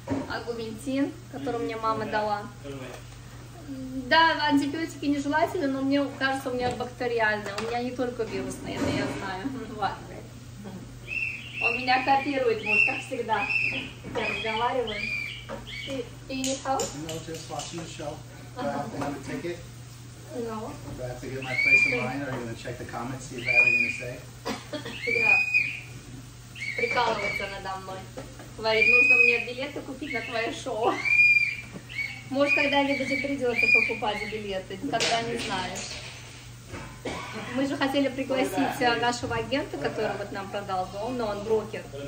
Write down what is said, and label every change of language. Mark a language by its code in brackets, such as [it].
[ru] Агументин, который мне мама дала. Да, антибиотики нежелательны, но мне кажется, у меня бактериальные. У меня не только вирусные, это я знаю. Ладно. У меня меня копирует муж, как всегда. Я разговариваю. [en] Do you need help? No, just watching the show. Do I have to get a ticket? No. Do I have to get my place in line? Are you going to check the comments, see if I have anything to say? Yeah. [ru] Прикалывается надо мной. Говорит, нужно мне билеты купить на твое шоу. Может, когда-нибудь и придется покупать билеты, никогда не знаешь. Мы же хотели пригласить нашего агента, который вот нам продал дом, но он брокер.